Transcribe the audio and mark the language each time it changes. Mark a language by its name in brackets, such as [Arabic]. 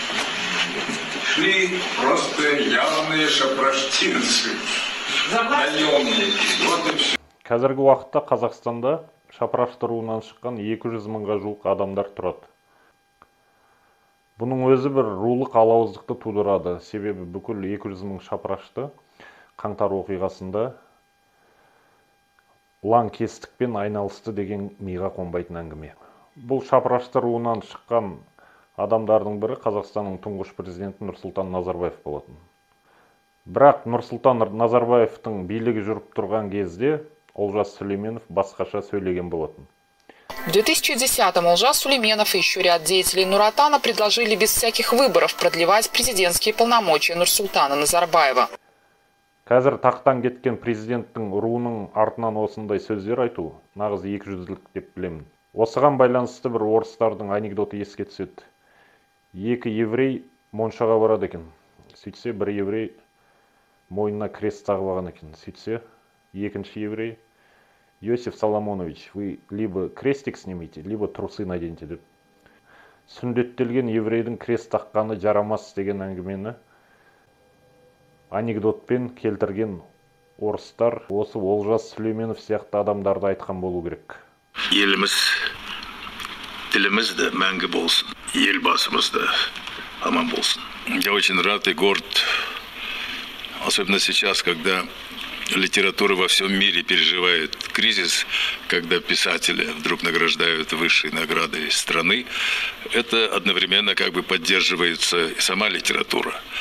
[Russian] Шли просто явные шапраштинцы, наемники. Вот и все. [Kazakh] Қазіргі уақытта Қазақстанда шапрашты руынан шыққан 200 мыңға жуық адамдар тұрады. Бұның өзі бір рулық алауыздықты тудырады. Себебі бүкіл 200 мың шапрашты қаңтар оқиғасында лаңкестікпен айналысты деген миға қонбайтын әңгіме. Бұл шапрашты руынан шыққан адамдардың бірі Қазақстанның тұңғыш президенті Нұрсұлтан Назарбаев болатын. Бірақ Нұрсұлтан Назарбаевтың билігі жүріп тұрған кезде Олжас Сүлейменов басқаша сөйлеген болатын. [Russian] В 2010-м Олжас Сүлейменов и еще ряд деятелей Нуротана предложили без всяких выборов продлевать президентские полномочия Нұрсұлтана Назарбаева. [Kazakh] Қазір тақтан кеткен президенттің руының артынан осындай сөздер айту нағыз екіжүзділік деп білемін. Осыған байланысты бір орыстардың анекдоты еске түседі. Екі еврей моншаға барады екен. Сөйтсе, бір еврей мойнына крест тағып алған екен. Сөйтсе, екінші еврей: [Russian] Иосиф Соломонович, вы либо крестик снимите, либо трусы наденьте, [Kazakh] деп. Сүндеттелген еврейдің крест таққаны жарамас деген әңгімені анекдотпен келтірген орыстар осы Олжас Сүлейменов сияқты адамдарды айтқан болу керек. Еліміз, тіліміз де мәңгі болсын. Елбасымыз да аман болсын. [Russian] Я очень рад и горд, особенно сейчас, когда литература во всем мире переживает кризис, когда писатели вдруг награждают высшей наградой страны. Это одновременно как бы поддерживается и сама литература.